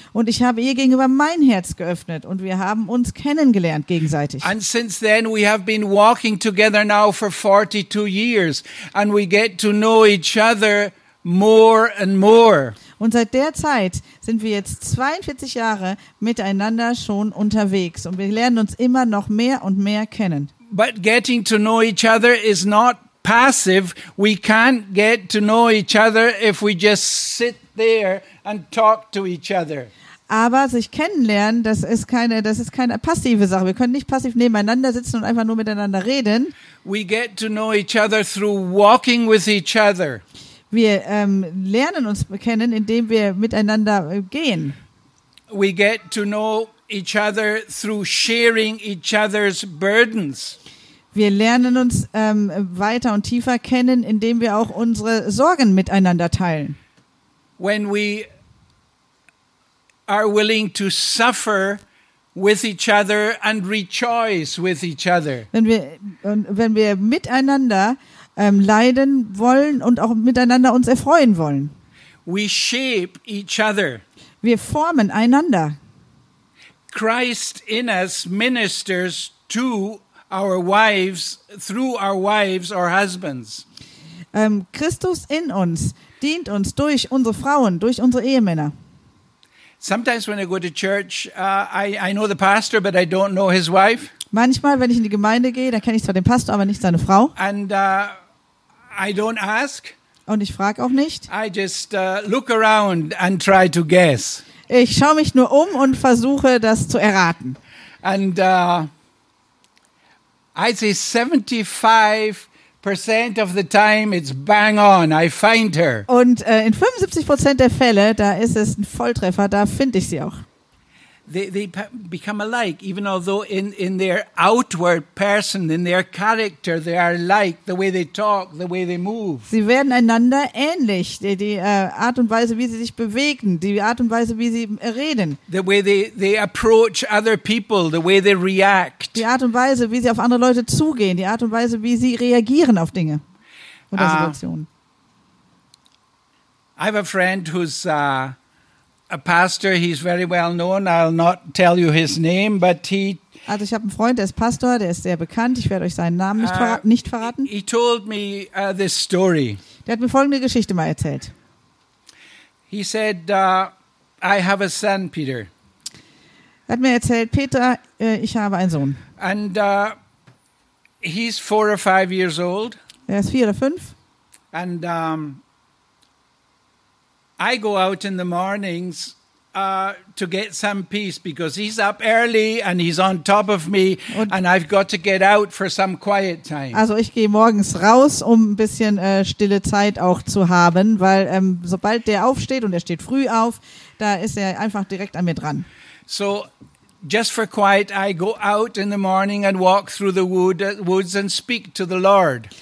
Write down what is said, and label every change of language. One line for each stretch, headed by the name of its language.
German: Und ich habe ihr gegenüber mein Herz geöffnet und wir haben uns kennengelernt gegenseitig.
English: And since then we have been walking together now for 42 years and we get to know each other more and more.
German: Und seit der Zeit sind wir jetzt 42 Jahre miteinander schon unterwegs und wir lernen uns immer noch mehr und mehr kennen.
English: But getting to know each other is not passive. We can't get to know each other if we just sit there and talk to each other.
German: Aber sich kennenlernen, das ist keine passive Sache. Wir können nicht passiv nebeneinander sitzen und einfach nur miteinander reden.
English: We get to know each other through walking with each other.
German: Wir lernen uns kennen, indem wir miteinander gehen.
English: We get to know each other through sharing each other's burdens.
German: Wir lernen uns weiter und tiefer kennen, indem wir auch unsere Sorgen miteinander teilen.
English: When we are willing to suffer with each other and rejoice with each other.
German: Wenn wir miteinander leiden wollen und auch miteinander uns erfreuen wollen.
English: We shape each other.
German: Wir formen einander.
English: Christ in us ministers to our wives through our wives or husbands.
German: Christus in uns dient uns durch unsere Frauen, durch unsere Ehemänner.
English: Sometimes when I go to church, I know the pastor, but I don't know his wife.
German: Manchmal, wenn ich in die Gemeinde gehe, dann kenne ich zwar den Pastor, aber nicht seine Frau.
English: And I don't ask.
German: Und ich frage auch nicht.
English: I just look around and try to guess.
German: Ich schaue mich nur um und versuche, das zu erraten.
English: And I say 75% of the time it's bang on, I find her.
German: Und in 75% der Fälle, da ist es ein Volltreffer, da finde ich sie auch.
English: They become alike, even although in their outward person, in their character, they are alike, the way they talk, the way they move.
German: Sie werden einander ähnlich, die Art und Weise, wie sie sich bewegen, die Art und Weise, wie sie reden.
English: The way they approach other people, the way they react.
German: Die Art und Weise, wie sie auf andere Leute zugehen, die Art und Weise, wie sie reagieren auf Dinge oder Situationen.
English: I have a friend who's a pastor, he's very well known. I'll not tell you his name, but he.
German: Also, ich habe einen Freund, der ist Pastor, der ist sehr bekannt. Ich werde euch seinen Namen nicht verraten.
English: He told me this story.
German: Der hat mir folgende Geschichte mal erzählt.
English: He said, I have a son, Peter.
German: Er hat mir erzählt, Peter, ich habe einen Sohn.
English: And he's 4 or 5 years old.
German: Er ist 4 oder 5.
English: And I go out in the mornings to get some peace because he's up early and he's on top of me and I've got to get out for some quiet time.
German: Also ich gehe morgens raus, um ein bisschen stille Zeit auch zu haben, weil sobald der aufsteht und er steht früh auf, da ist er einfach direkt an mir dran.
English: So just for quiet, I go out in the morning and walk through the woods and speak to the Lord.